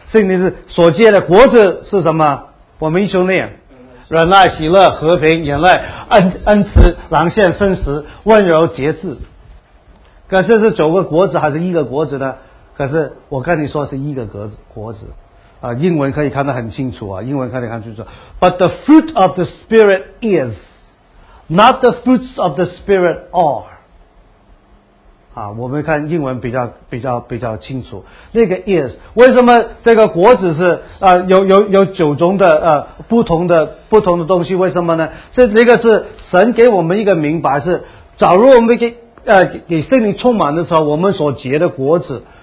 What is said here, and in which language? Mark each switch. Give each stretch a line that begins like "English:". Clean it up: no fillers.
Chinese: 圣灵所结的果子是什么？我们一兄弟忍耐、喜乐、和平、忍耐、恩慈、良善、圣实、温柔、节制。可是是九个果子还是一个果子呢？可是我跟你说是一个果子啊，英文可以看得很清楚啊，英文可以看清楚。
English: But the fruit of the Spirit is, not the fruits of the Spirit are.
Chinese: 啊，我们看英文比较清楚。那个 is 为什么这个果子是啊有九种的不同的东西？为什么呢？这个是神给我们一个明白，是假如我们给圣灵充满的时候，我们所结的果子。